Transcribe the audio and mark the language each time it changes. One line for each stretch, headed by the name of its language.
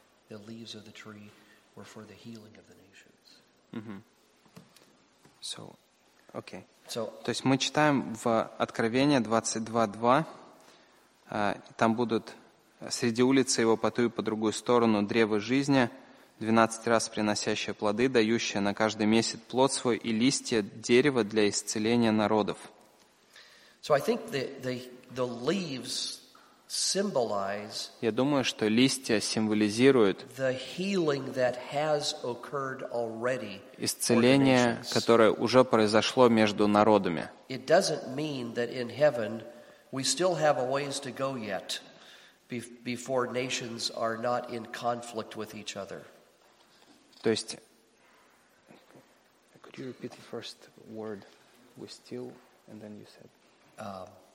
English: The leaves of the tree were for the healing of the nations. Mm-hmm. So, okay. So,
Russian: то есть мы читаем в Откровении 22:2, там будут среди улицы его по ту и по другую сторону древо жизни, 12 раз приносящее плоды, дающее на каждый месяц плод свой и листья дерева для исцеления народов.
English: So I think the leaves symbolize.
Russian: Я думаю, что листья символизируют
English: the healing that has occurred already.
Russian: Исцеление, которое уже произошло между народами.
English: It doesn't mean that in heaven we still have a ways to go yet before nations are not in conflict with each other.
Russian: То есть,
English: could you repeat the first word? We still, and then you said.